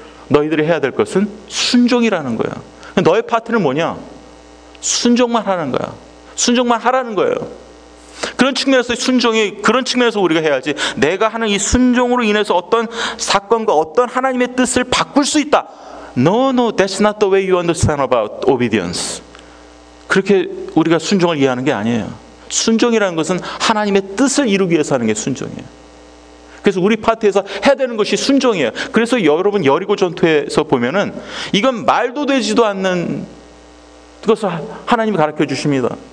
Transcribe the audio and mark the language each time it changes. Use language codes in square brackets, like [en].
[ko] 너희들이 해야 될 것은 순종이라는 거예요. 너의 파트는 뭐냐? 순종만 하는 거야. 순종만 하라는 거예요. 그런 측면에서 순종이 그런 측면에서 우리가 해야지 내가 하는 이 순종으로 인해서 어떤 사건과 어떤 하나님의 뜻을 바꿀 수 있다. [en] No, no, that's not the way you understand about obedience. [ko] 그렇게 우리가 순종을 이해하는 게 아니에요. 순종이라는 것은 하나님의 뜻을 이루기 위해서 하는 게 순종이에요. 그래서 우리 파트에서 해야 되는 것이 순종이에요. 그래서 여러분 여리고 전투에서 보면은 이건 말도 되지도 않는 그것을 하나님이 가르쳐 주십니다.